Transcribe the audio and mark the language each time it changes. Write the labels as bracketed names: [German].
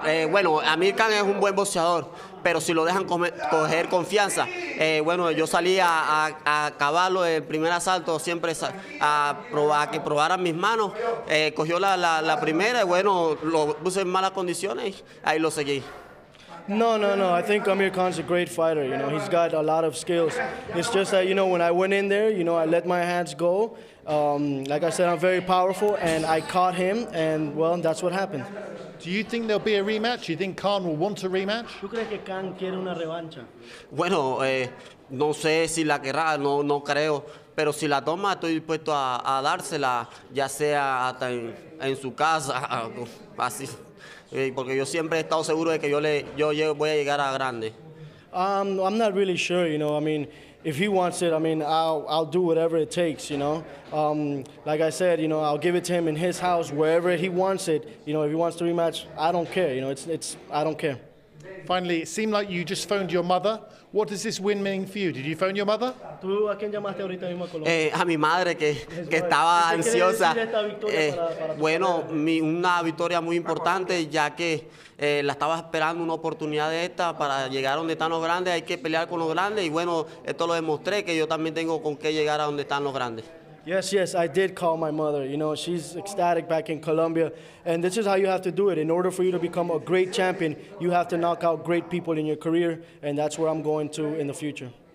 [Spanish] Bueno, Amir Khan es un buen boxeador, pero si lo dejan coger confianza, bueno, yo salí a acabarlo el primer asalto, siempre a que probaran mis manos, cogió la primera y bueno, lo puse en malas condiciones, ahí lo seguí. [English] No. I think Amir Khan's a great fighter. You know, he's got a lot of skills. It's just that, you know, when I went in there, you know, I let my hands go. Like I said, I'm very powerful, and I caught him, and, well, that's what happened. Do you think there'll be a rematch? Do you think Khan will want a rematch? [Spanish] ¿Tú crees que Khan quiere una revancha? Bueno, no sé si la querrá, no creo. Pero si la toma, estoy dispuesto a dársela, ya sea hasta en su casa, así. Porque yo siempre he estado seguro de que yo voy a llegar a grande. [English] I'm not really sure, you know. I mean, if he wants it, I mean, I'll do whatever it takes, you know. Like I said, you know, I'll give it to him in his house, wherever he wants it. You know, if he wants to rematch, I don't care. You know, it's I don't care. Finally, it seemed like you just phoned your mother. What does this win mean for you? Did you phone your mother? [Spanish] ¿Tú a quién llamaste ahorita mismo a Colombia? A mi madre, que estaba ansiosa. Bueno, una victoria muy importante, ya que la estaba esperando una oportunidad de esta para llegar a donde están los grandes. Hay que pelear con los grandes. Y bueno, esto lo demostré, que yo también tengo con qué llegar a donde están los grandes. [English] Yes, I did call my mother. You know, she's ecstatic back in Colombia. And this is how you have to do it. In order for you to become a great champion, you have to knock out great people in your career. And that's where I'm going to in the future.